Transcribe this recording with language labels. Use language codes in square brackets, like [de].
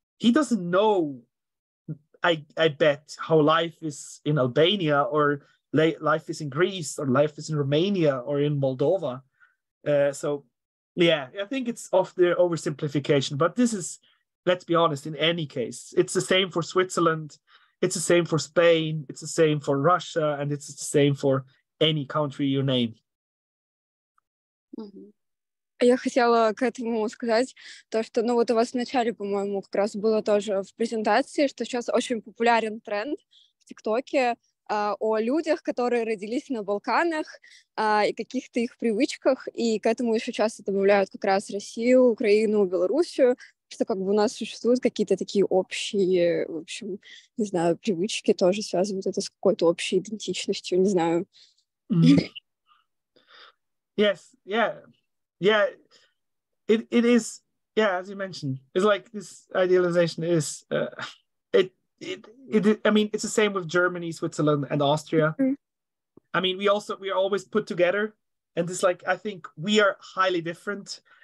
[en] He doesn't know. I bet how life is in Albania, or life is in Greece, or life is in Romania, or in Moldova. I think it's of the oversimplification, but this is, let's be honest, in any case, it's the same for Switzerland, it's the same for Spain, it's the same for Russia, and it's the same for any country you name. Mm-hmm. [ru] Я хотела к этому сказать то, что, ну, вот у вас в начале, по-моему, как раз было тоже в презентации, что сейчас очень популярен тренд в ТикТоке о людях, которые родились на Балканах, и каких-то их привычках, и к этому еще часто добавляют как раз Россию, Украину, Белоруссию, что как бы у нас существуют какие-то такие общие, в общем, не знаю, привычки тоже связывают это с какой-то общей идентичностью, не знаю. [en] Mm-hmm. Yes, yeah. Yeah, it is, yeah, as you mentioned, it's like this idealization is, it It's the same with Germany, Switzerland, and Austria. Mm-hmm. I mean, we are always put together, and it's like, I think we are highly different.